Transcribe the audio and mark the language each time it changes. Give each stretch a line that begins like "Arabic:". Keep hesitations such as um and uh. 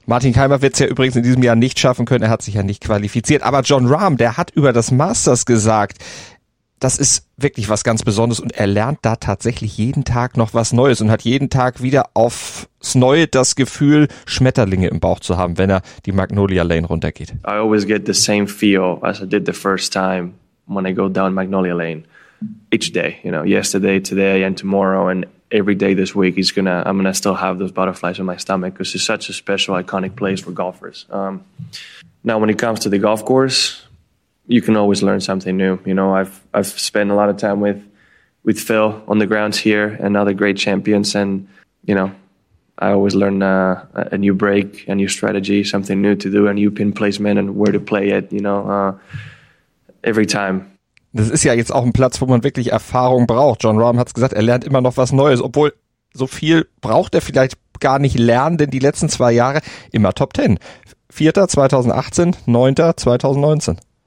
German: Martin Keimer wird es ja übrigens in diesem Jahr nicht schaffen können. Er hat sich ja nicht qualifiziert. Aber John Rahm, der hat über das Masters gesagt, das ist wirklich was ganz Besonderes und er lernt da tatsächlich jeden Tag noch was Neues und hat jeden Tag wieder aufs Neue das Gefühl, Schmetterlinge im Bauch zu haben, wenn er die Magnolia Lane runtergeht.
English: I always get the same feel as I did the first time when I go Magnolia Lane. Each day, you know, yesterday, today and tomorrow and every day this week is gonna, I'm gonna butterflies in my stomach because it's such a special, iconic place for golfers. Um, now, when it comes to the golf course, you can always learn something new. You know, I've I've spent a lot of time with, with Phil on the grounds here and other great champions, and you know, I always learn a, a new break, a new strategy, something new to do, a new pin placement and where to play it. You know, uh, every time.
German: Das ist ja jetzt auch ein Platz, wo man wirklich Erfahrung braucht. John Rahm hat es gesagt, er lernt immer noch was Neues, obwohl so viel braucht er vielleicht gar nicht lernen, denn die letzten zwei Jahre immer Top Ten. Vierter 2018, neunter 2019.